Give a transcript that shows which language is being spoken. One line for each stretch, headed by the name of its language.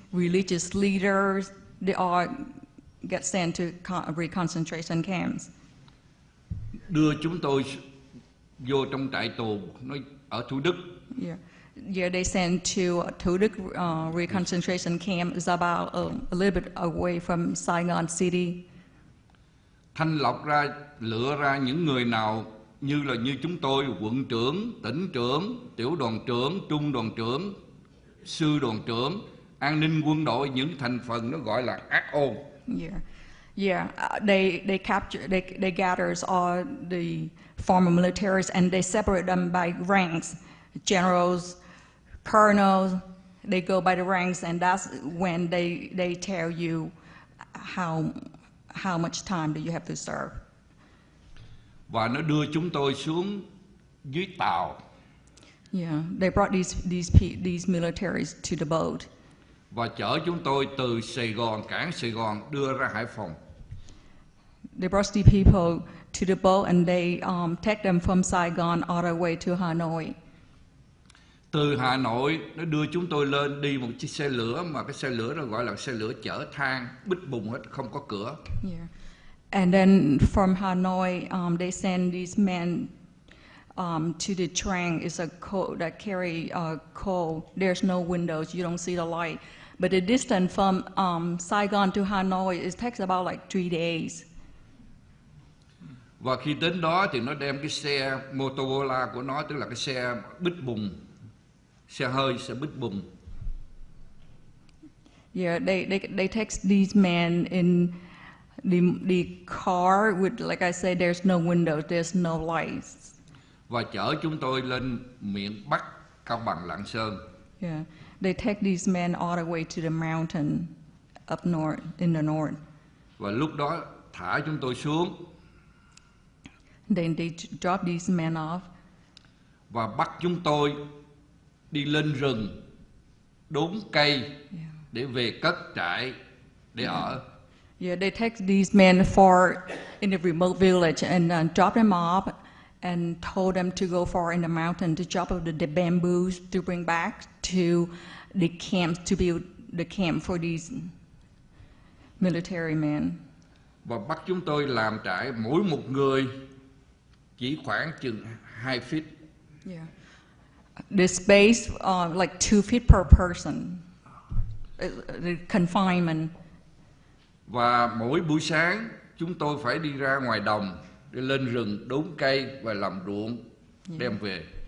English: religious leaders, they all get sent to re-concentration camps.
Vietnamese: Đưa chúng tôi vô trong trại tù ở Thủ Đức.
English: Yeah, they sent to Thủ Đức re-concentration camp. It's about a little bit away from Saigon City.
Vietnamese: Thanh lọc ra, lựa ra những người nào như là như chúng tôi, quận trưởng, tỉnh trưởng, tiểu đoàn trưởng, trung đoàn trưởng, sư đoàn trưởng, an ninh quân đội, những thành phần nó gọi là ác ôn.
English: They gathers all the former militaries and they separate them by ranks, generals, colonels. They go by the ranks and that's when they tell you how much time do you have to serve.
Vietnamese: Và nó đưa chúng tôi xuống dưới tàu.
English: Yeah, they brought these militaries to the boat.
Vietnamese: Và chở chúng tôi từ Sài Gòn, cảng Sài Gòn đưa ra Hải Phòng.
English: They brought the people to the boat and they take them from Saigon all the way to Hanoi.
Vietnamese: Từ Hà Nội nó đưa chúng tôi lên đi một chiếc xe lửa mà cái xe lửa nó gọi là xe lửa chở than, bích bùng hết, không có cửa.
English: Yeah. And then from Hanoi, they send these men to the train. It's a coal that carry coal. There's no windows. You don't see the light. But the distance from Saigon to Hanoi, it takes about like 3 days.
Vietnamese: Và khi đến đó thì nó đem cái xe Motorola của nó, tức là cái xe bích bùng, xe hơi, xe bích bùng.
English: Yeah, they take these men in the car with, like I say, there's no windows, there's no lights.
Vietnamese: Và chở chúng tôi lên miền Bắc, Cao Bằng, Lạng Sơn.
English: Yeah, they take these men all the way to the mountain up north, in the north.
Vietnamese: Và lúc đó thả chúng tôi xuống.
English: Then they drop these men off.
Vietnamese: Và bắt chúng tôi đi lên rừng đốn cây để về cất trại để ở.
English: Yeah, they take these men far in a remote village and drop them off and told them to go far in the mountain to chop up the bamboos to bring back to the camp to build the camp for these military men.
Vietnamese: Và bắt chúng tôi làm trại mỗi một người chỉ khoảng chừng 2 feet.
English: Yeah. The space like 2 feet per person. The confinement.
Vietnamese: Và mỗi buổi sáng chúng tôi phải đi ra ngoài đồng để lên rừng đốn cây và làm ruộng đem về.